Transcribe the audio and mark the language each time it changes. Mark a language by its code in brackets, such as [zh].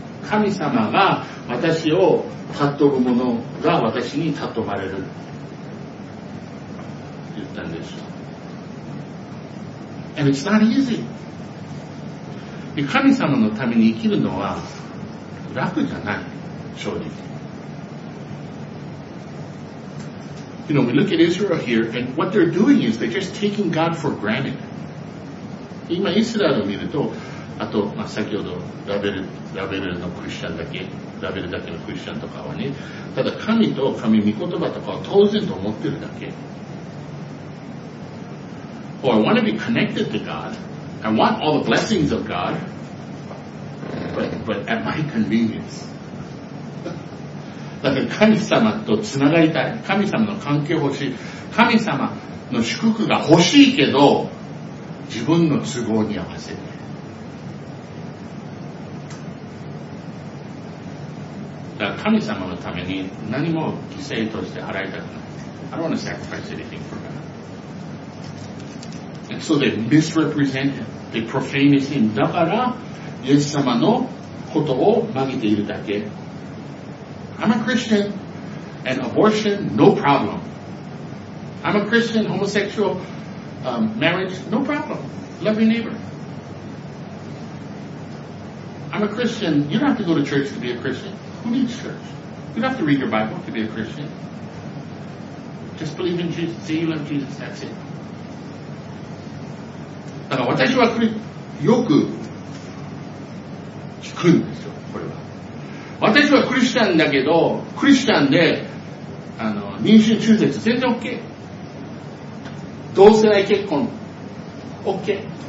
[ja] 神様が私を尊ぶ者が私に尊ばれる。言ったんです。 [en] And it's not easy. [ja] 神様のために生きるのは楽じゃない、正直。 [en] You know, we look at Israel here, and what they're doing is they're just taking God for granted. [ja] 今、イスラエルを見ると、あと、まあ、先ほどラベルのクリスチャンだけ、ラベルだけのクリスチャンとかはね、ただ神と神御言葉とかは当然と思ってるだけ。 [en] Oh, I want to be connected to God. I want all the blessings of God. But at my convenience. [ja] だから神様とつながりたい。神様の関係欲しい。神様の祝福が欲しいけど、自分の都合に合わせて。だから神様のために何も犠牲として払いたくない。 [en] I don't want to sacrifice anything for God. And so they misrepresent him. They profane him. [ja] だから、イエス様のことを曲げているだけ。 [en] I'm a Christian, and abortion, no problem. I'm a Christian, homosexual, marriage, no problem. Love your neighbor. I'm a Christian, you don't have to go to church to be a Christian. Who needs church? You don't have to read your Bible to be a Christian. Just believe in Jesus, say you love Jesus, that's it. [ja] だから私はよく聞くんですよ、これは。私はクリスチャンだけど、クリスチャンで、妊娠中絶全然 OK。同性愛結婚 OK。